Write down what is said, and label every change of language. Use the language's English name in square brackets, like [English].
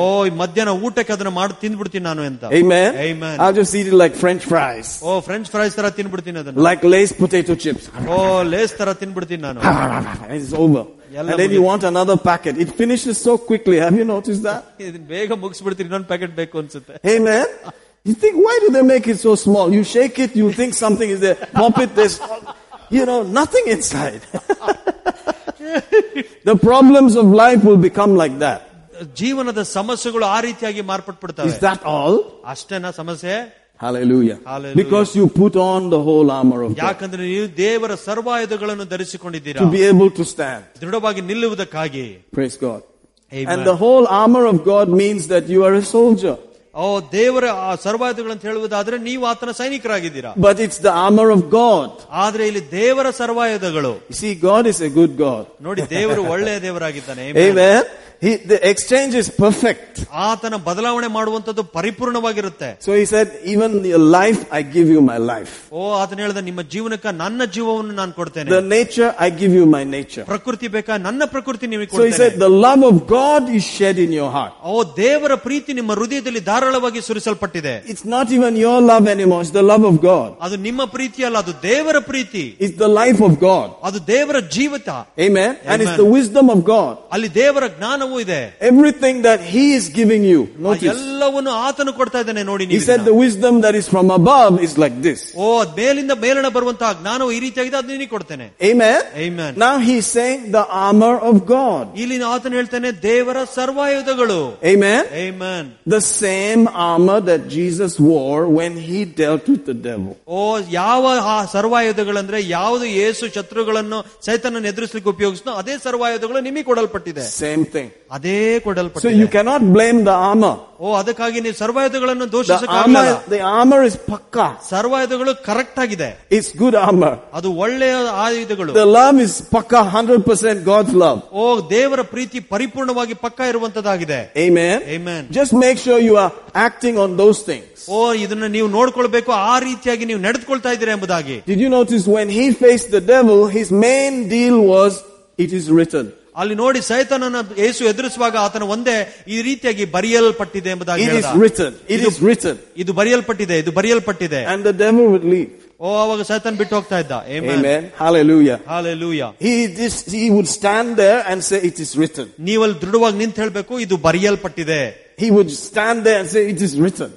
[Kannada] ಓ ಮಧ್ಯಾಹ್ನ ಊಟಕ್ಕೆ ಅದನ್ನ ಮಾಡಿ ತಿಂದ್ಬಿಡ್ತೀನಿ ನಾನು ಅಂತ. [English] Amen. Amen. I just eat it like french fries. [Kannada] O French fries ತರ ತಿನ್ಬಿಡ್ತೀನಿ ಅದನ್ನ. [English] Like Lays potato chips. [Kannada] ಓ ಲೇಸ್ ತರ ತಿನ್ಬಿಡ್ತೀನಿ ನಾನು. [English] It's over. And then you want another packet. It finishes so quickly. Have you noticed that? [Kannada] ಬೇಗ ಮುಗಿಸ್ಬಿಡ್ತೀನಿ ಇನ್ನೊಂದು packet ಬೇಕು ಅನ್ಸುತ್ತೆ. [English] Amen. You think, why do they make it so small? You shake it, you think something is there. Pop it, there's, you know, nothing inside. The problems of life will become like that. [Kannada] ಜೀವನದ ಸಮಸ್ಯೆಗಳು ಆ ರೀತಿಯಾಗಿ ಮಾರ್ಪಟ್ಬಿಡ್ತವೆ. [English] Is that all? [Kannada] ಅಷ್ಟೇನಾ ಸಮಸ್ಯೆ? [English] Hallelujah. Hallelujah. Because you put on the whole armor of God. [Kannada] ಯಾಕಂದ್ರೆ ನೀವು ದೇವರ ಸರ್ವಾಯುಧಗಳನ್ನು ಧರಿಸಿಕೊಂಡಿದ್ದೀರಾ. [English] To be able to stand. [Kannada] ದೃಢವಾಗಿ ನಿಲ್ಲುವುದಕ್ಕಾಗಿ. [English] Praise God. Amen. And the whole armor of God means that you are a soldier. [Kannada] ಓ ದೇವರ ಸರ್ವಾಯುಧಗಳು ಅಂತ ಹೇಳುವುದಾದ್ರೆ ನೀವು ಆತನ ಸೈನಿಕರಾಗಿದ್ದೀರಾ. [English] But it's the armor of God. [Kannada] ಆದ್ರೆ ಇಲ್ಲಿ ದೇವರ ಸರ್ವಾಯುಧಗಳು. [English] See, God is a good God. [Kannada] ನೋಡಿ ದೇವರು ಒಳ್ಳೆಯ ದೇವರಾಗಿದ್ದಾನೆ. [English] Amen. He, the exchange is perfect. [Kannada] ಆತನ ಬದಲಾವಣೆ ಮಾಡುವಂತದ್ದು ಪರಿಪೂರ್ಣವಾಗಿರುತ್ತೆ. [English] So he said, even your life, I give you my life. [Kannada] ಓ ಆತನ ಹೇಳಿದ ನಿಮ್ಮ ಜೀವನಕ್ಕೆ ನನ್ನ ಜೀವವನ್ನು ನಾನು ಕೊಡ್ತೇನೆ. [English] The nature, I give you my nature. [Kannada] ಪ್ರಕೃತಿ ಬೇಕಾ ನನ್ನ ಪ್ರಕೃತಿ ನಿಮಗೆ ಕೊಡ್ತೇನೆ. [English] So he said, the love of God is shed in your heart. [Kannada] ಓ ದೇವರ ಪ್ರೀತಿ ನಿಮ್ಮ ಹೃದಯದಲ್ಲಿ ಧಾರಾಳವಾಗಿ ಸುರಿಸಲ್ಪಟ್ಟಿದೆ. [English] It's not even your love anymore, it's the love of God. [Kannada] ಅದು ನಿಮ್ಮ ಪ್ರೀತಿ ಅಲ್ಲ, ಅದು ದೇವರ ಪ್ರೀತಿ. [English] It's the life of God. [Kannada] ಅದು ದೇವರ ಜೀವಿತ. [English] Amen. And it's the wisdom of God. [Kannada] ಅಲ್ಲಿ ದೇವರ ಜ್ಞಾನವೂ ಇದೆ. [English] Everything that he is giving you, notice. [Kannada] ಎಲ್ಲವನ್ನು ಆತನು ಕೊಡ್ತಾ ಇದ್ದಾನೆ ನೋಡಿ. [English] He said the wisdom that is from above is like this. [Kannada] ಓ ಮೇಲಿಂದ ಮೇಲಣ ಬರುವಂತಹ ಜ್ಞಾನವು ಈ ರೀತಿಯಾಗಿದೆ, ಅದನ್ನ ನೀನು ಕೊಡ್ತೇನೆ. [English] Amen. Amen. Now he is saying the armor of God. [Kannada] ಇಲ್ಲಿ ಆತನು ಹೇಳ್ತಾನೆ ದೇವರ ಸರ್ವಾಯುಧಗಳು. [English] Amen. Amen. The same armor that Jesus wore when he dealt with the devil. [Kannada] ಓ ಯಾವ ಸರ್ವಾಯುಧಗಳಂದ್ರೆ ಯಾವುದು ಯೇಸು ಶತ್ರುಗಳನ್ನು ಸೈತಾನನ ಎದುರಿಸಲಿಕ್ಕೆ ಉಪಯೋಗಿಸ್ತೋ ಅದೇ ಸರ್ವಾಯುಧಗಳು ನಿಮಗೆ ಕೊಡಲ್ಪಟ್ಟಿದೆ. [English] Same thing. [Kannada] ಅದೇ [English] So you cannot blame the armor. [Kannada] ಓ ಅದಕ್ಕಾಗಿ ನೀವು ಸರ್ವಾಯುಧಗಳನ್ನು ದೋಷಿಸಕ್ಕಾಗಲ್ಲ. ಸರ್ವಾಯುಧಗಳು ಕರೆಕ್ಟ್ ಆಗಿದೆ. [English] It's good armour. [Kannada] ಅದು ಒಳ್ಳೆಯ ಆಯುಧಗಳು. [English] The love is pakka, 100% God's love. [Kannada] ಓ ದೇವರ ಪ್ರೀತಿ ಪರಿಪೂರ್ಣವಾಗಿ ಪಕ್ಕಾ ಇರುವಂತದಾಗಿದೆ. [English] Amen. Amen. Just make sure you are acting on those things. [Kannada] ಓ ಇದನ್ನ ನೀವು ನೋಡ್ಕೊಳ್ಬೇಕು, ಆ ರೀತಿಯಾಗಿ ನೀವು ನಡೆದುಕೊಳ್ತಾ ಇದ್ದೀರಾ ಎಂಬುದಾಗಿ. [English] Did you notice when he faced the devil, his main deal was, it is written. [Kannada] ಅಲ್ಲಿ ನೋಡಿ ಸೈತಾನನ ಯೇಸು ಎದುರಿಸುವಾಗ ಆತನ ಒಂದೇ ಈ ರೀತಿಯಾಗಿ ಬರೆಯಲ್ಪಟ್ಟಿದೆ ಎಂಬುದಾಗಿ. [English] It is written. It is written. [Kannada] ಇದು ಬರೆಯಲ್ಪಟ್ಟಿದೆ, ಇದು ಬರೆಯಲ್ಪಟ್ಟಿದೆ. [English] And the devil would leave. [Kannada] ಓ ಅವಾಗ ಸೈತಾನ್ ಬಿಟ್ಟು ಹೋಗ್ತಾ ಇದ್ದ. [English] Amen. Hallelujah. Hallelujah. He would stand there and say, it is written. [Kannada] ನೀವಲ್ಲಿ ದೃಢವಾಗಿ ನಿಂತು ಹೇಳಬೇಕು ಇದು ಬರೆಯಲ್ಪಟ್ಟಿದೆ. [English] He would stand there and say, it is written.